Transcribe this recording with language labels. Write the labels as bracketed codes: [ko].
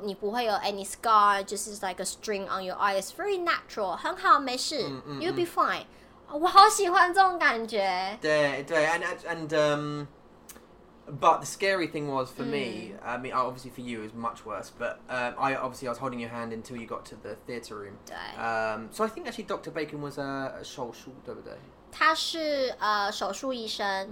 [zh] 你不会有 [en] any scar, just is like a string on your eye, it's very natural, [zh] 很好,没事, [en] you'll be fine. [zh] 我好喜欢这种感觉。对,对, [en] and but the scary thing was for me, I mean, obviously for you it was much worse, but I was holding your hand until you got to the theatre room. So I think actually Dr. Bacon was a 手术, [zh] 对不对? 他是 手术医生,